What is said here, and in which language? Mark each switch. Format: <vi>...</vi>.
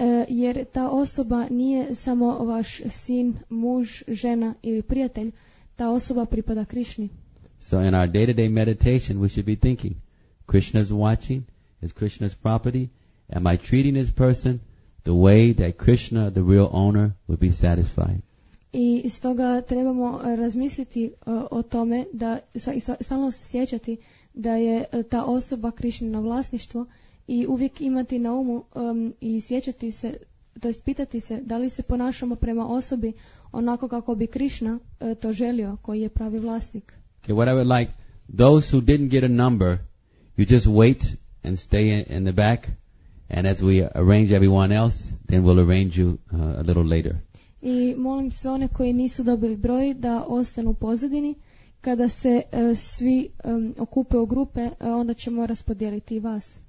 <hr>Jer ta osoba nije samo vaš sin, muž, žena ili prijatelj. Ta osoba pripada Krishni.</hr> <en>So in our day-to-day meditation, we should be thinking, Krishna's watching, is Krishna's property, am I treating this person the way that Krishna, the real owner, would be satisfied?</en> <hr>I stoga trebamo razmisliti o tome, da stalno se sjećati da je ta osoba Krishnino vlasništvo i uvijek imati na umu i sjećati se, to jest pitati se, da li se ponašamo prema osobi onako kako bi Krishna to želio, koji je pravi vlasnik.</hr> <en>Okay, what I would like, those who didn't get a number, you just wait and stay in the back, and as we arrange everyone else, then we'll arrange you a little later.</en> <hr>I molim sve one koji nisu dobili broj da ostanu u pozadini. Kada se svi okupe u grupe, onda ćemo raspodijeliti i vas.</hr>